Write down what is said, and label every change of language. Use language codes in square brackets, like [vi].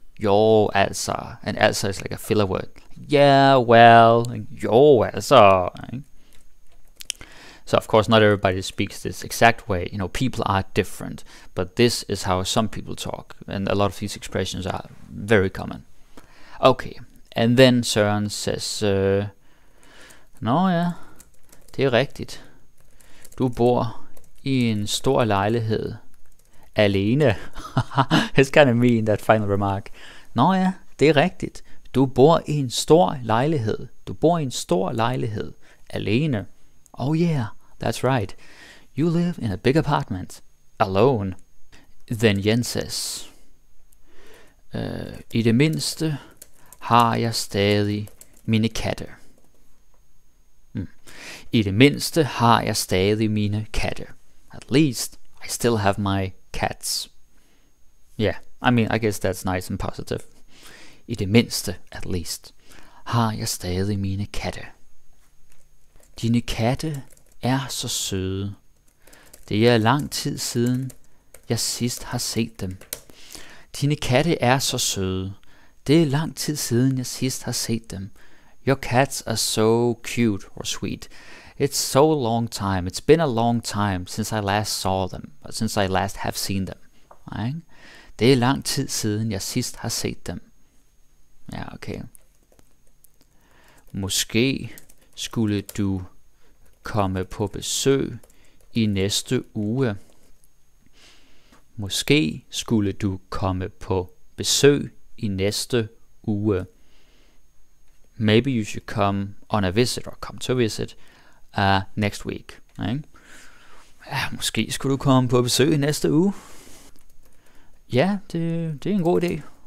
[en] Jo altså, and altså is like a filler word. Yeah, well, jo altså. So, of course, not everybody speaks this exact way. You know, people are different. But this is how some people talk. And a lot of these expressions are very common. Okay. And then Søren says, [da] Nå ja, det er rigtigt. Du bor i en stor lejlighed. Alene. [en] It's kind of mean, that final remark. [da] Nå ja, det er rigtigt. Du bor i en stor lejlighed. Du bor i en stor lejlighed. [en] Alene. Oh yeah. That's right. You live in a big apartment. Alone. Then Jens says, [da] I det mindste har jeg stadig mine katte. I det mindste har jeg stadig mine katte. [en] At least, I still have my cats. Yeah, I mean, I guess that's nice and positive. [da] I det mindste, [en] at least, [da] har jeg stadig mine katte. Dine katte er så søde. Det er lang tid siden, jeg sidst har set dem. Dine katte er så søde. Det er lang tid siden, jeg sidst har set dem. [en] Your cats are so cute or sweet. It's so long time. It's been a long time since I last saw them. Or since I last have seen them. Right? [da] Det er lang tid siden, jeg sidst har set dem. Ja, okay. Måske skulle du komme på besøg i næste uge. Måske skulle du komme på besøg i næste uge. [en] Maybe you should come on a visit or come to visit next week. Right? [da] Ja, måske skulle du komme på besøg i næste uge. Ja, det er en god idé.